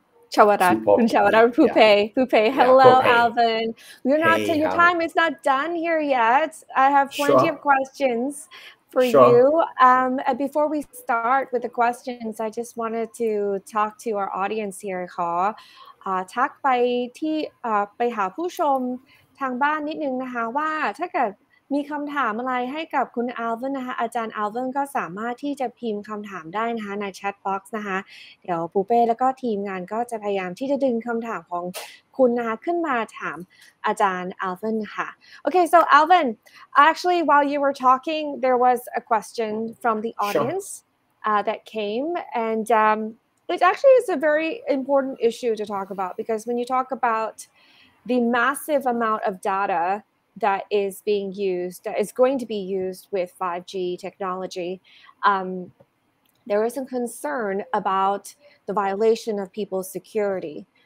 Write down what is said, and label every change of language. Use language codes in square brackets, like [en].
[en] Chawara Pupe. Hello, Pupe. Alvin. Your time is not done here yet. I have plenty of questions for you. Before we start with the questions, I just wanted to talk to our audience here, ค่ะ. [th] ทักไปที่ไปหาผู้ชมทางบ้านนิดนึงนะคะว่าถ้าเกิดมีคำถามอะไรให้กับคุณอัลเวนนะคะอาจารย์อัลเวนก็สามารถที่จะพิมพ์คำถามได้นะคะในแชทบ็อกซ์นะคะเดี๋ยวปูเป้แล้วก็ทีมงานก็จะพยายามที่จะดึงคำถามของคุณนะคะขึ้นมาถามอาจารย์อัลเวนค่ะโอเค [en] so Alvin actually while you were talking there was a question from the audience sure. that came. And it actually is a very important issue to talk about, because when you talk about the massive amount of data that is being used, that is going to be used with 5G technology, there is some concern about the violation of people's security.